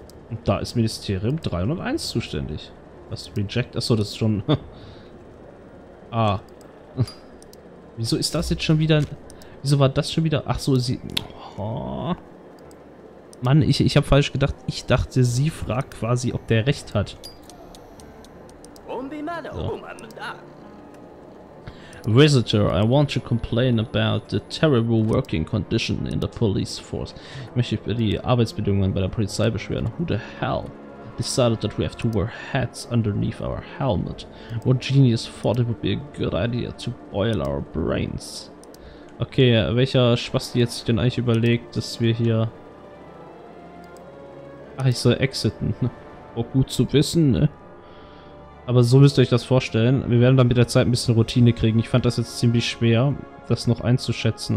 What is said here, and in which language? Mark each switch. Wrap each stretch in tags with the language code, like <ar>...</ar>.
<de>Und da ist Ministerium 301 zuständig. Was? Reject? Achso, das ist schon... Ah. Wieso ist das jetzt schon wieder... Wieso war das schon wieder... Achso, sie... Oh. Mann, ich habe falsch gedacht. Ich dachte, sie fragt quasi, ob der recht hat. So.</de> <en>Visitor, I want to complain about the terrible working condition in the police force.</en> <de>Ich möchte über die Arbeitsbedingungen bei der Polizei beschweren.</de> <en>Who the hell decided that we have to wear hats underneath our helmet? What genius thought it would be a good idea to boil our brains?</en> <de>Okay, welcher Spasti jetzt denn eigentlich überlegt, dass wir hier... Ach, ich soll exiten. Oh, gut zu wissen, ne? Aber so müsst ihr euch das vorstellen. Wir werden dann mit der Zeit ein bisschen Routine kriegen. Ich fand das jetzt ziemlich schwer, das noch einzuschätzen.</de>